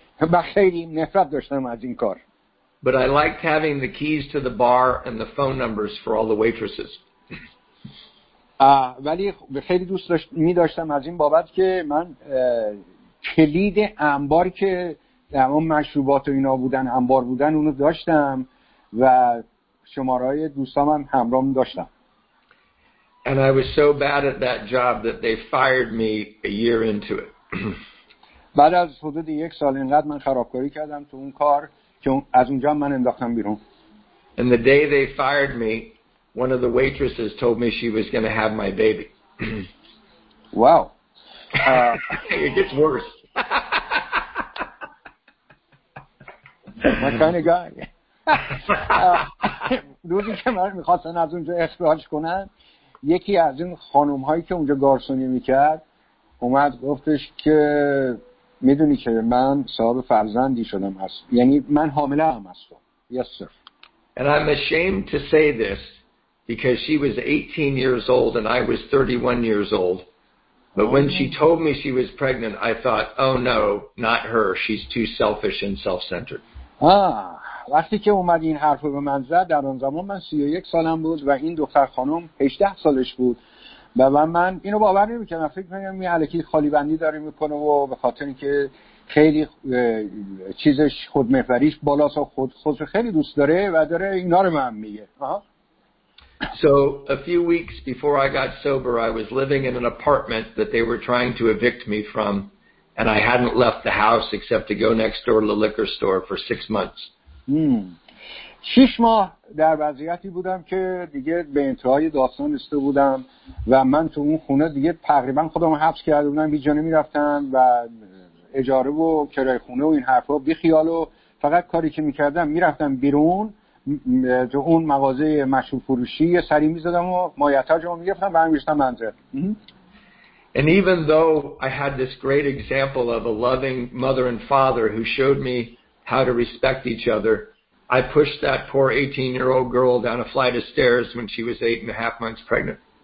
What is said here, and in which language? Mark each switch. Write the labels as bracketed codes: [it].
[fa] من خیلی نفرت داشتم از این کار. [en] But I liked having the keys to the bar and the phone numbers for all the waitresses. [fa] ولی خیلی دوست داشتم از این بابت که من کلید انبار که در اون مشروبات و اینا بودن، انبار بودن، اونو داشتم و شماره‌های دوستام هم همراهم داشتم. [en] And I was so bad at that job that they fired me a year into it. [fa] بعد از حدود یک سال اینقدر من خرابکاری کردم تو اون کار که از اونجا من انداختم بیرون. [en] And the day they fired me, one of the waitresses told me she was going to have my baby. Wow. It gets worse. My kind of guy. [fa] روزی که من میخواستن از اونجا اخراج کنن، یکی از این خانوم هایی که اونجا گارسونی میکرد اومد گفتش که میدونی که من صاحب فرزندی شدم هست، یعنی من حامله هم هستم. [en] Yes sir. And I'm ashamed to say this because she was 18 years old and I was 31 years old. But when she told me she was pregnant, I thought, oh no, not her. She's too selfish and self-centered. [fa] وقتی که اومد این حرف رو به من زد، در اون زمان من 31 سالم بود و این دختر خانم 18 سالش بود. و من اینو باور نمی‌کردم. فکر می‌کردم این علکی خالی بندی داره می‌کنه و به خاطر اینکه خیلی چیزش خودمحوریش بالاست و خودش خیلی دوست داره و داره اینا رو به من میگه. [en] So a few weeks before I got sober, I was living in an apartment that they were trying to evict me from, and I hadn't left the house except to go next door to the liquor store for 6 months. [fa] شش ماه در وضعیتی بودم که دیگه به انتهای داستان رسیده بودم و من تو اون خونه دیگه تقریبا خودم رو حبس کرده بودم، بی جا نمی‌رفتم و اجاره و کرایه خونه و این حرفا بی خیال، و فقط کاری که می‌کردم می‌رفتم بیرون تو اون مغازه مشروب فروشی سری می‌زدم و مایحتاجم رو می‌گرفتم و برمی‌گشتم منزل. [en] And even though I had this great example of a loving mother and father who showed me how to respect each other, I pushed that poor 18-year-old girl down a flight of stairs when she was 8.5 months pregnant.